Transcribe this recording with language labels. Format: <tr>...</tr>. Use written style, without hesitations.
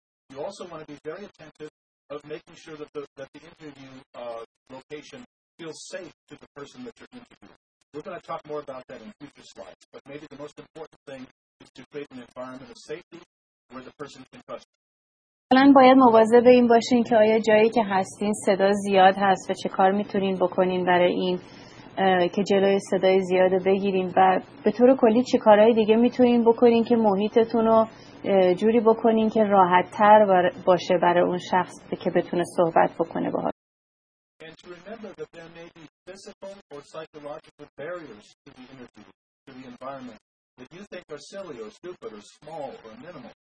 <en>You also want to be very attentive of making sure that the interview location feels safe to the person that you're interviewing. We're going to talk more about that in future slides, but maybe the most important thing is to create an environment of safety where the person can trust you.</en> <fa>الان باید مواظب به این باشین که آیا جایی که هستین صدا زیاد هست و چه کار میتونین بکنین برای این که جلوی صدای زیاد رو بگیرین و به طور کلی چه کارهای دیگه میتونین بکنین که محیطتون رو جوری بکنین که راحت تر باشه برای اون شخص که بتونه صحبت بکنه باهاش.</fa> <en>And to remember that there may be physical or psychological barriers to the interview, to the environment, that you think are silly or stupid or small or minimal.</en>